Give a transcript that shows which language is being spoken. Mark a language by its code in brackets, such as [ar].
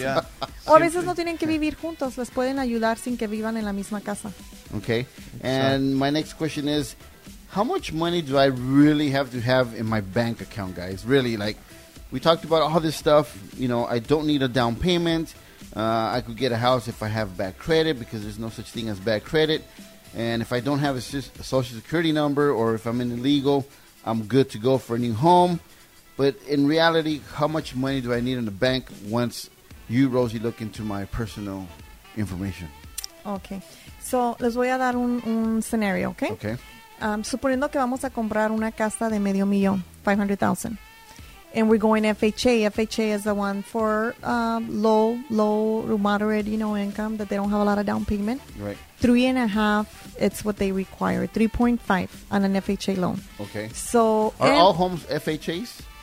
[es] Yeah. O a veces no tienen que vivir juntos. Les pueden ayudar sin que vivan en la misma casa. [en] Okay. And so, my next question is, how much money do I really have in my bank account, guys? Really, like, we talked about all this stuff. You know, I don't need a down payment. I could get a house if I have bad credit, because there's no such thing as bad credit. And if I don't have a social security number, or if I'm in illegal, I'm good to go for a new home. But in reality, how much money do I need in the bank once you, Rosie, look into my personal information? [es] Okay. So, les voy a dar un scenario, okay? [en] Okay. [es] Suponiendo que vamos a comprar una casa de medio millón, $500,000. [en] And we're going FHA. FHA is the one for low or moderate, you know, income, that they don't have a lot of down payment. Right. 3.5, it's what they require. 3.5 on an FHA loan. Okay. So, are all homes FHAs?